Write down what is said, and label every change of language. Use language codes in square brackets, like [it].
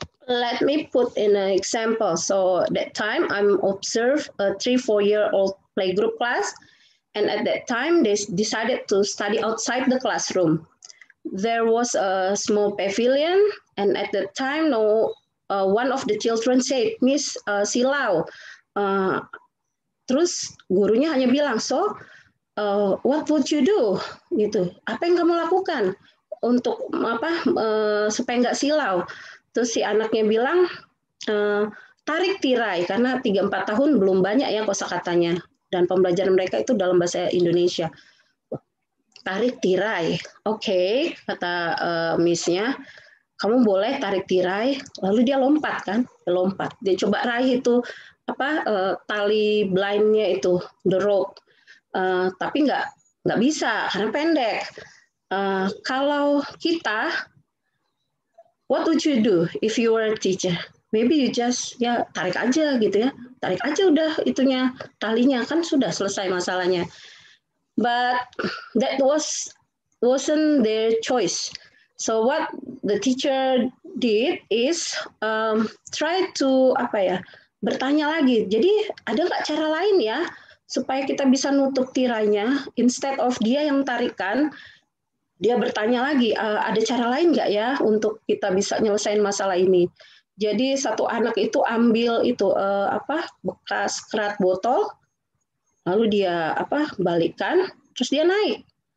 [en] Let me put in an example. So that time I'm observe a 3-4-year-old playgroup class, and at that time they decided to study outside the classroom. There was a small pavilion, and at that time no one of the children said, Miss Silau. [id] Terus gurunya hanya bilang, [en] so what would you do? [id] Gitu. Apa yang kamu lakukan untuk apa supaya nggak silau? Terus si anaknya bilang, tarik tirai, karena 3-4 tahun belum banyak ya kosakatanya, dan pembelajaran mereka itu dalam bahasa Indonesia. Tarik tirai, okay, kata miss-nya, kamu boleh tarik tirai. Lalu dia lompat kan, lompat. Dia coba raih itu apa tali blindnya itu, [en] the rope. [id] Tapi nggak bisa karena pendek. Kalau kita, [en] what would you do if you were a teacher? Maybe you just [id] ya tarik aja gitu ya, tarik aja udah itunya talinya kan sudah selesai masalahnya. [en] But that wasn't their choice. So what the teacher did is try to [id] apa ya, bertanya lagi. Jadi ada nggak cara lain ya supaya kita bisa nutup tirainya [en] instead of [id] dia yang tarikan. Dia bertanya lagi, ada cara lain nggak ya untuk kita bisa nyelesain masalah ini? Jadi satu anak itu ambil itu apa bekas kerat botol, lalu dia apa balikkan, terus dia naik.